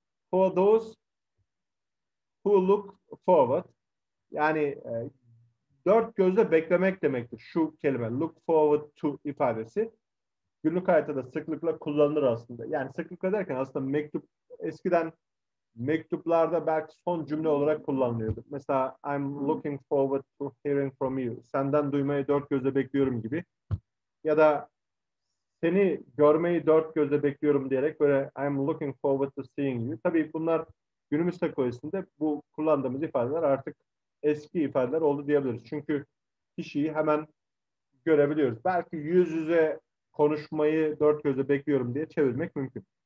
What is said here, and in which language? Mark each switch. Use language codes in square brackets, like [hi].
[en] For those who look forward, [tr] yani dört gözle beklemek demektir şu kelime. Look forward to ifadesi. Günlük hayatta da sıklıkla kullanılır aslında. Yani sıklıkla derken aslında mektup, eskiden mektuplarda belki son cümle olarak kullanılıyordu. [en] Mesela I'm looking forward to hearing from you. [tr] Senden duymayı dört gözle bekliyorum gibi. Ya da seni görmeyi dört gözle bekliyorum diyerek böyle [en] I'm looking forward to seeing you. [tr] Tabii bunlar günümüz teknolojisinde bu kullandığımız ifadeler artık eski ifadeler oldu diyebiliriz. Çünkü kişiyi hemen görebiliyoruz. Belki yüz yüze konuşmayı dört gözle bekliyorum diye çevirmek mümkün.